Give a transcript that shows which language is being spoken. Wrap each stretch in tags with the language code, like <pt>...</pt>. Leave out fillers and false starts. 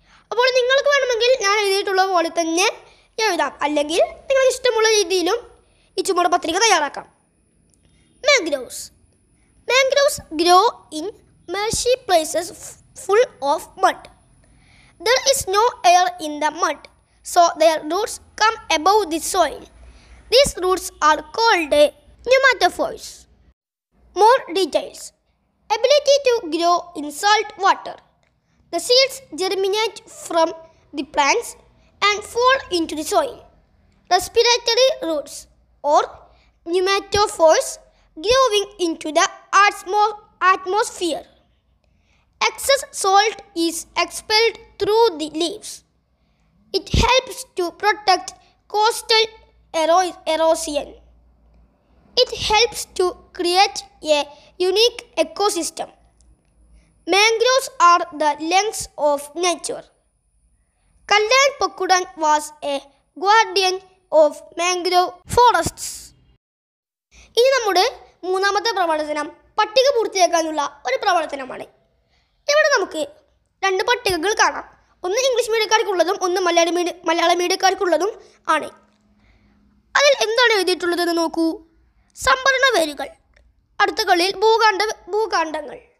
<ml>അപ്പോൾ നിങ്ങൾക്ക് വേണമെങ്കിൽ ഞാൻ എഴുതിയിട്ടുള്ള പോലെ തന്നെ എഴുതാം, അല്ലെങ്കിൽ നിങ്ങൾക്ക് ഇഷ്ടമുള്ള രീതിയിലും ഈ ചുമട് പത്രിക തയ്യാറാക്കാം.</ml> <en>Mangroves, mangroves grow in marshy places full of mud. There is no air in the mud, so their roots come above the soil. These roots are called nematophores. More details. Ability to grow in salt water. The seeds germinate from the plants and fall into the soil. Respiratory roots or nematophores growing into the atmosphere. Excess salt is expelled through the leaves. It helps to protect coastal erosion. It helps to create a unique ecosystem. Mangroves are the lungs of nature. Kalyan Pakkudan was a guardian of mangrove forests.</en> <ml>ഇനി നമ്മുടെ മൂന്നാമത്തെ പ്രവർത്തനം പട്ടിക പൂർത്തിയാക്കാനുള്ള ഒരു പ്രവർത്തനമാണ്. ഇവിടെ നമുക്ക് രണ്ട് പട്ടികകൾ കാണാം, ഒന്ന് ഇംഗ്ലീഷ് മീഡിയക്കാർക്കുള്ളതും ഒന്ന് മലയാള മീഡിയക്കാർക്കുള്ളതും ആണ്. അതിൽ എന്താണ് എഴുതിയിട്ടുള്ളതെന്ന് നോക്കൂ. സംഭരണ വേരുകൾ, അടുത്ത കളിയിൽ ഭൂകാണ്ഡങ്ങൾ.</ml>